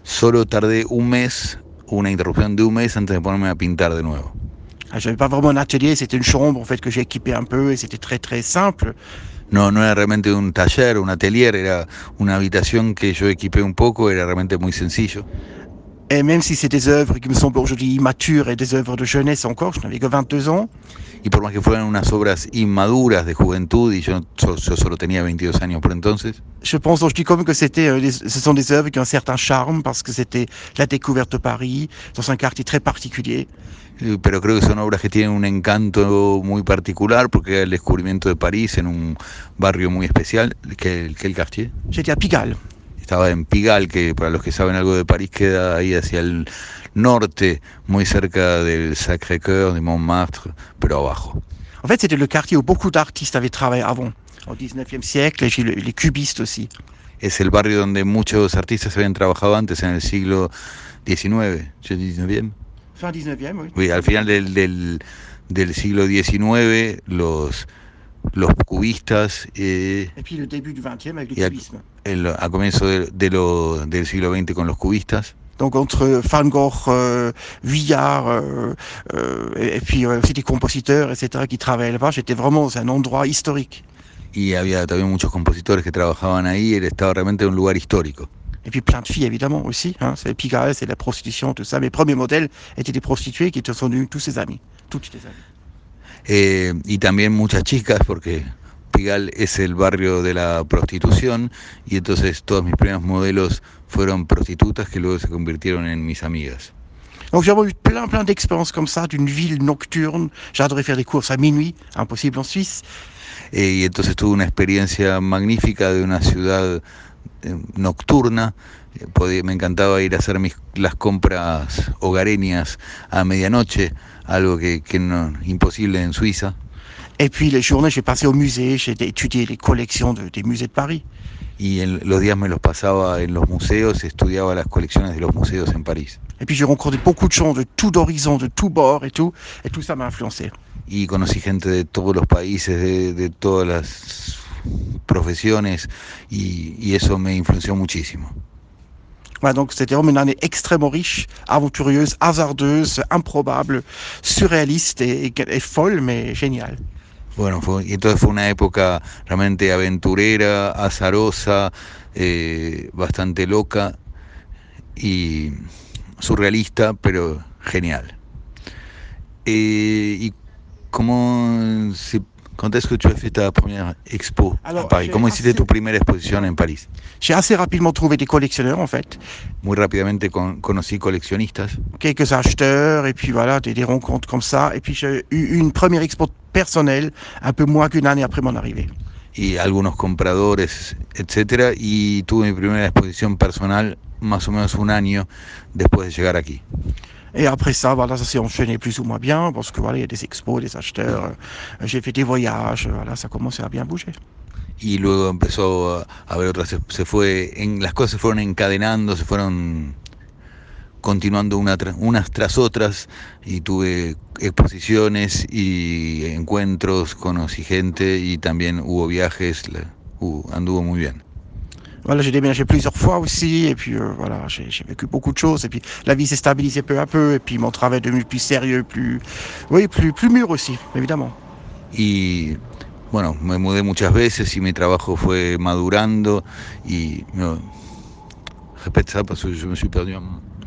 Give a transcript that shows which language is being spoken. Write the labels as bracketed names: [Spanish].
[Spanish] Solo tardé un mes, una interrupción de un mes antes de ponerme a pintar de nuevo. [French] Ah, j'avais pas vraiment un atelier, c'était une chambre en fait que j'ai équipé un peu et c'était très très simple. [Spanish] No era realmente un taller, un atelier, era una habitación que yo equipé un poco, era realmente muy sencillo. [French] Et même si c'est des œuvres qui me semblent aujourd'hui immatures et des œuvres de jeunesse encore, je n'avais que 22 ans. [Spanish] Y por más que fueran unas obras inmaduras de juventud y yo solo tenía 22 años por entonces. [French] Je pense aujourd'hui comme que c'était ce sont des œuvres qui ont un certain charme parce que c'était la découverte de Paris dans un quartier très particulier. [Spanish] Pero creo que son obras que tienen un encanto muy particular porque era el descubrimiento de París en un barrio muy especial, que el quartier. [French] J'étais à Pigalle. [Spanish] Estaba en Pigalle, que para los que saben algo de París queda ahí hacia el norte, muy cerca del Sacré-Cœur, de Montmartre, pero abajo. [French] En fait, c'était le quartier où beaucoup d'artistes avaient travaillé avant, au 19e siècle, et les cubistes aussi. [Spanish] Es el barrio donde muchos artistas habían trabajado antes, en el siglo XIX. ¿Yo 19? [French] Fin 19e, oui. [Spanish] Oui, al final del siglo XIX, los cubistas. [French] Et puis le début du 20e avec le cubisme. [Spanish] A comienzo del siglo XX con los cubistas. [French] Donc entre Van Gogh, Villard, et puis aussi des compositeurs, etc., qui travaillaient là-bas, j'étais vraiment dans un endroit historique. [Spanish] Y había también muchos compositores que trabajaban ahí, él estaba realmente en un lugar histórico. [French] Et puis plein de filles, évidemment, aussi. Hein, c'est Pigalle, c'est la prostitution, tout ça. Mes premiers modèles étaient des prostituées qui sont devenues tous ses amis. Toutes ses amis. [Spanish] Y también muchas chicas, porque Pigalle es el barrio de la prostitución, y entonces todos mis primeros modelos fueron prostitutas que luego se convirtieron en mis amigas. [French] Donc j'ai eu plein d'expériences comme ça, d'une ville nocturne. J'adorais faire des courses à minuit, impossible en Suisse. [Spanish] Y entonces tuve una experiencia magnífica de una ciudad nocturna. Me encantaba ir a hacer las compras hogareñas a medianoche, algo que no, imposible en Suiza. [French] Et puis les journées, j'ai passé au musée, j'ai étudié les collections des musées de Paris. [Spanish] Y los días me los pasaba en los museos, estudiaba las colecciones de los museos en París. [French] Et puis j'ai rencontré beaucoup de gens de tout horizon, de tout bord et tout ça m'a influencé. [Spanish] Y conocí gente de todos los países, de todas las profesiones, y eso me influenció muchísimo. [French] Voilà, donc c'était vraiment une année extrêmement riche, aventureuse, hasardeuse, improbable, surréaliste et folle, mais géniale. [Spanish] Bueno, fue una época realmente aventurera, azarosa, bastante loca y surrealista, pero genial. Y ¿cuándo es que tú hiciste la primera expo en París? ¿Cómo hiciste tu primera exposición en París? [French] J'ai assez rapidement trouvé des collectionneurs, en fait. [Spanish] Muy rápidamente conocí coleccionistas. [French] Quelques acheteurs, et puis voilà, des rencontres comme ça. Et puis j'ai eu une première expo personnelle, un peu moins qu'une année après mon arrivée. [Spanish] Y algunos compradores, etcétera, y tuve mi primera exposición personal más o menos un año después de llegar aquí. [French] Et après ça, voilà, ça s'est enchaîné plus ou moins bien, parce que voilà, il y a des expos, des acheteurs, j'ai fait des voyages, voilà, ça commençait à bien bouger. [Spanish] Y luego empezó a haber otras, las cosas se fueron encadenando, se fueron continuando unas tras otras, y tuve exposiciones y encuentros, conocí gente, y también hubo viajes, anduvo muy bien. [French] Voilà, j'ai déménagé plusieurs fois aussi, et puis voilà, j'ai vécu beaucoup de choses, et puis la vie s'est stabilisée peu à peu, et puis mon travail est devenu plus sérieux, plus mûr aussi, évidemment. [Spanish] Et, bueno, me mudé muchas veces, y mi trabajo fue madurando, y, no, [French] répète ça parce que je me suis perdu en moi.